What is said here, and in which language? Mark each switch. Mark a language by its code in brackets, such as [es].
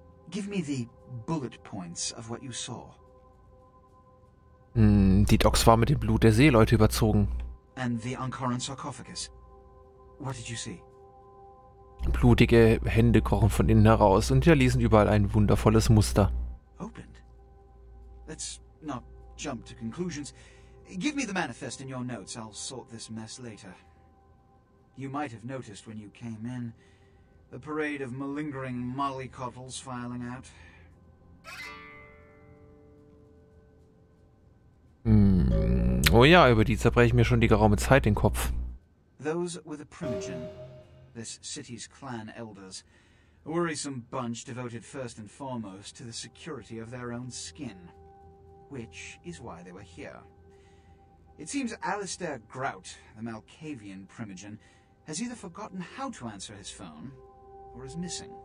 [en] Give me the bullet points of what you saw. [de] Die Docks war mit dem Blut der Seeleute überzogen. [en] And the Ankaran sarcophagus. What did you see? [de] Blutige Hände kochen von innen heraus und hinterließen überall ein wundervolles Muster. [en] Open. Let's not jump to conclusions. Give me the manifest in your notes. I'll sort this mess later. You might have noticed when you came in the parade of malingering mollycoddles filing out. Hmm. [de] Oh ja, über die zerbreche ich mir schon die geraume Zeit den Kopf. [en] Those with the Primogen, this city's clan elders, a worrisome bunch devoted first and foremost to the security of their own skin, which is why they were here. It seems Alistair Grout, the Malkavian Primogen, has either forgotten how to answer his phone, or is missing.